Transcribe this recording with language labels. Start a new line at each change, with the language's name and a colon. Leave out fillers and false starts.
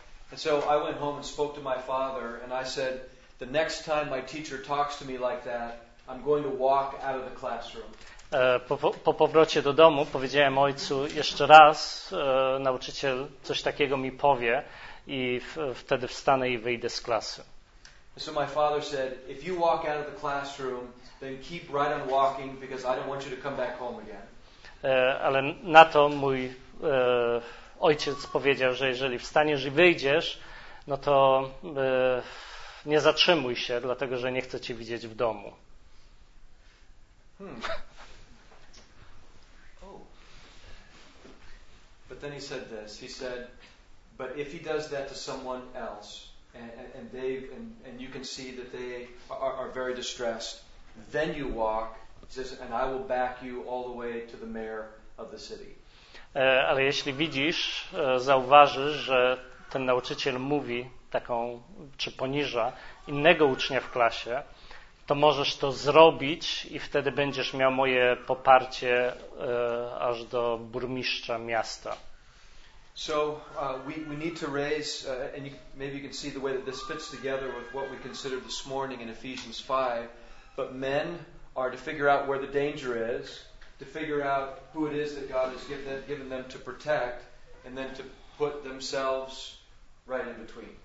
English: And so I went home and spoke to my father and I said, the next time my teacher talks to me like that, I'm going to walk out of the classroom.
Polish: Po powrocie do domu powiedziałem ojcu, jeszcze raz nauczyciel coś takiego mi powie i wtedy wstanę i wyjdę z klasy.
English: So my father said, if you walk out of the classroom, then keep right on walking because I don't want you to come back home again.
Polish: Ale na to mój ojciec powiedział, że jeżeli wstaniesz i wyjdziesz, no to nie zatrzymuj się, dlatego że nie chcę cię widzieć w domu.
English: But then he said this. He said, but if he does that to someone else and you can see that they are very distressed, then you walk. He says, and I will back you all the way to the mayor of the city.
Polish: Ale jeśli widzisz, zauważysz, że ten nauczyciel mówi taką, czy poniża innego ucznia w klasie, to możesz to zrobić i wtedy będziesz miał moje poparcie aż do burmistrza miasta.
English: So we need to raise and you, maybe you can see the way that this fits together with what we considered this morning in Ephesians 5, but men are to figure out where the danger is, to figure out who it is that God has given them to protect and then to put themselves right in between.